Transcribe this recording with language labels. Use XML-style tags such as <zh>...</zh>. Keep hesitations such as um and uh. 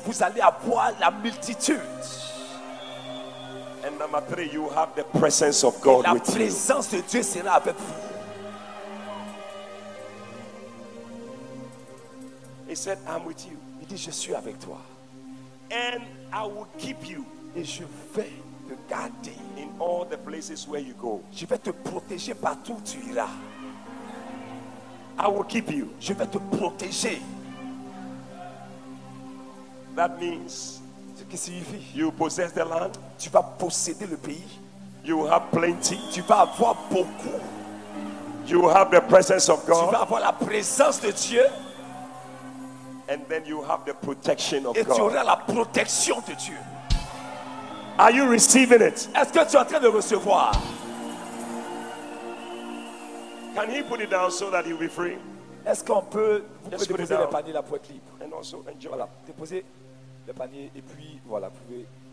<fr>Vous allez avoir la multitude.</fr> <en>And number three, you have the presence of God with you.</en> <fr>La présence de Dieu sera avec vous.</fr> <en>He said, "I'm with you."</en> <fr>Il dit, "Je suis avec toi."</fr> <en>And I will keep you.</en> <fr>Et je vais te garder</fr> <en>in all the places where you go.</en> <fr>Je vais te protéger partout où tu iras.</fr> <en>I will keep you.</en> <fr>Je vais te protéger.</fr> <en>That means you possess the land.</en> <fr>tu vas posséder le pays</fr> <en>you have plenty.</en> <fr>tu vas avoir beaucoup</fr> <en>you have the presence of God.</en> <fr>tu vas avoir la présence de Dieu</fr> <en>And then you have the protection of</en> <fr>et tu</fr> <en>God.</en> <fr>tu auras la protection de Dieu</fr> <en>Are you receiving it?</en> <fr>Est-ce que tu es en train de recevoir?</fr> <en>Can he put it down so that he'll be free?</en> <fr>Est-ce qu'on peut vous déposer le panier être libre?</fr> <en>And also enjoy.</en> <fr>Voilà, déposer et puis voilà hein?</fr>